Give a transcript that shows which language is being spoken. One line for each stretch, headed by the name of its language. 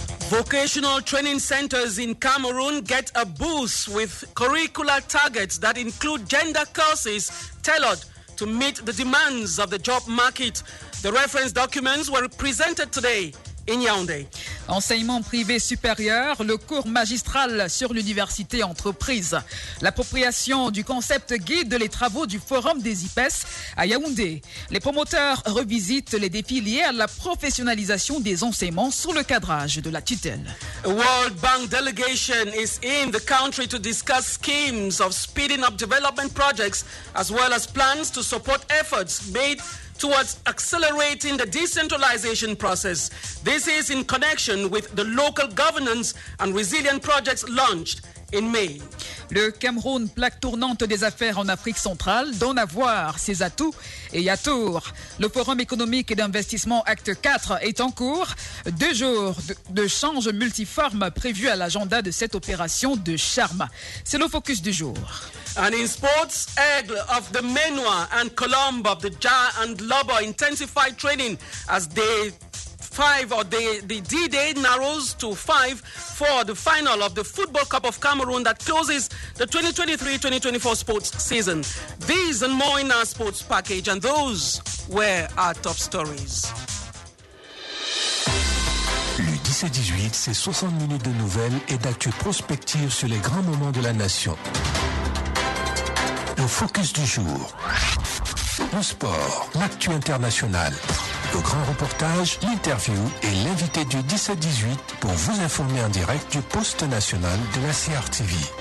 English: Vocational training centers in Cameroon get a boost with curricular targets that include gender courses tailored to meet the demands of the job market. The reference documents were presented today in Yaoundé.
French: Enseignement privé supérieur, le cours magistral sur l'université entreprise. L'appropriation du concept guide les travaux du forum des IPES à Yaoundé. Les promoteurs revisitent les défis liés à la professionnalisation des enseignements sous le cadrage de la tutelle.
English: A World Bank delegation is in the country to discuss schemes of speeding up development projects as well as plans to support efforts made towards accelerating the decentralization process. This is in connection with the local governance and resilient projects launched in May.
French: Le Cameroun, plaque tournante des affaires en Afrique centrale, donne à voir ses atouts et atours. Le Forum économique et d'investissement Acte 4 est en cours. Deux jours de changes multiformes prévus à l'agenda de cette opération de charme. C'est le focus du jour.
English: And in sports, Aigle of the Menwa and Colombe of the Ja and Lobo intensified training as D-Day narrows to 5 for the final of the Football Cup of Cameroon that closes the 2023-2024 sports season. These and more in our sports package, and those were our top stories.
French: Le 17-18, c'est 60 minutes de nouvelles et d'actu prospective sur les grands moments de la nation. Le focus du jour, le sport, l'actu internationale. Le grand reportage, l'interview et l'invité du 17-18 pour vous informer en direct du poste national de la CRTV.